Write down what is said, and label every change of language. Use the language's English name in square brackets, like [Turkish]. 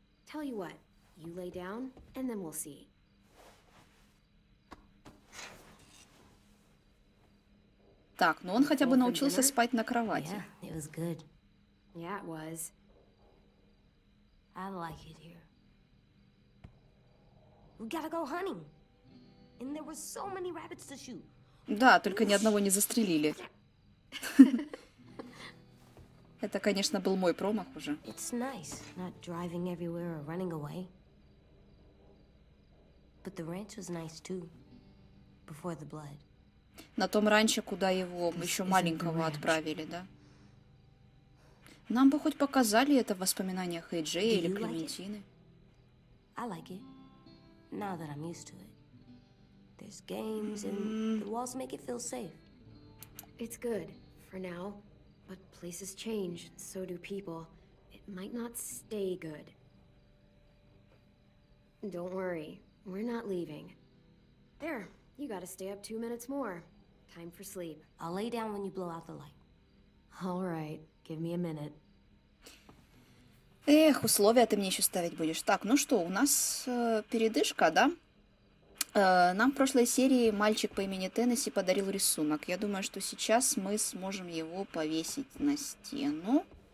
[English] Tell you what, you lay down, and then we'll see. [Russian] Так, ну он хотя бы научился спать на кровати. [English] Yeah, it was good. Yeah, it was. I like it here. We gotta go hunting. And there were so many rabbits to shoot. [Russian] Да, только ни одного не застрелили. Это, конечно, был мой промах уже. [English] It's nice not driving everywhere or running away. But the ranch was nice too. Before the blood. [Russian] На том ранчо, куда его еще маленького отправили, да? Нам бы хоть показали это в воспоминаниях Эй-Джея или Клементины. [English] I like it. Now that I'm used to it. There's games and the walls make it feel safe. It's good for now, but places change, so do people. It might not stay good. Don't worry, we're not leaving. There, you gotta stay up two minutes more. Time for sleep. I'll lay down when you blow out the light. All right, give me a minute. [Russian] Эх, условия ты мне еще ставить будешь. Так, ну что, у нас передышка, да? Нам в прошлой серии мальчик по имени Теннесси подарил рисунок. Я думаю, что сейчас мы сможем его повесить на стену.